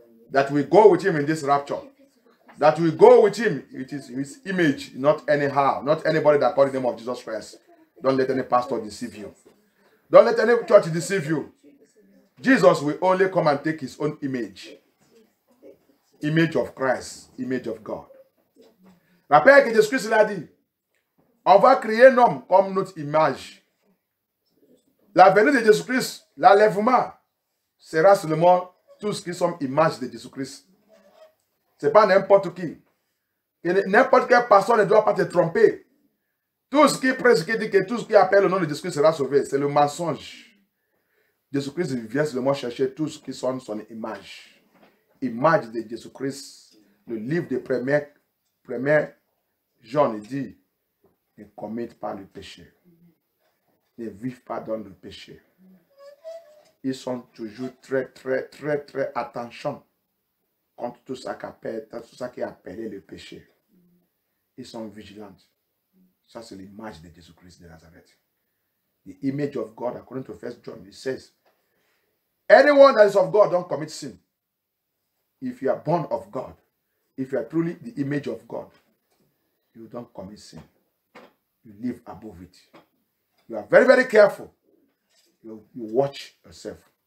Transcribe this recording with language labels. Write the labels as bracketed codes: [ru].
[en] That will go with him in this rapture. That we go with him, it is his image, not anyhow, not anybody that called the name of Jesus Christ. Don't let any pastor deceive you. Don't let any church deceive you. Jesus will only come and take his own image. Image of Christ, image of God. [fr] Rappelle que Jésus-Christ l'a dit, on va créer un homme comme notre image. La venue de Jésus-Christ, l'enlèvement, sera seulement tous qui sont image de Jésus-Christ. Ce n'est pas n'importe qui. Et n'importe quelle personne ne doit pas te tromper. Tout ce qui presque qui dit que tout ce qui appelle le nom de Jésus-Christ sera sauvé, c'est le mensonge. Jésus-Christ vient seulement chercher tout ce qui sont son image. Image de Jésus-Christ. Le livre de 1 Jean dit, ne commette pas le péché. ne vivent pas dans le péché. Ils sont toujours très, très, très, très attentionnés contre tout ça, tout ça qui appelle le péché. Ils sont vigilants. Ça, c'est l'image de Jésus-Christ de Nazareth. [en] The image of God, according to 1 John, it says, anyone that is of God don't commit sin. If you are born of God, if you are truly the image of God, you don't commit sin. You live above it. You are very, very careful. You watch yourself.